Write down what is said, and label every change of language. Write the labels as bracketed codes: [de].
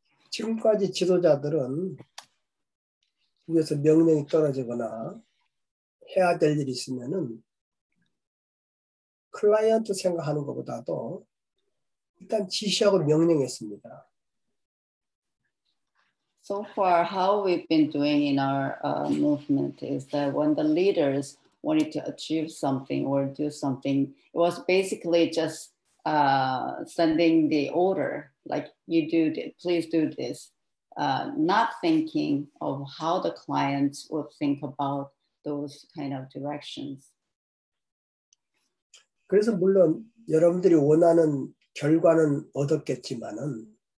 [ko] 지금까지 지도자들은 위에서 명령이 떨어지거나 해야 될 일이 있으면은 클라이언트 생각하는 것보다도 일단 지시하고 명령했습니다. [en] So far, how we've been doing in our movement is that when the leaders wanted to achieve something or do something, it was basically just sending the order, like you do, please do this, not thinking of how the clients would think about those kind of directions. [ko] 그래서 물론 여러분들이 원하는 결과는 얻었겠지만은.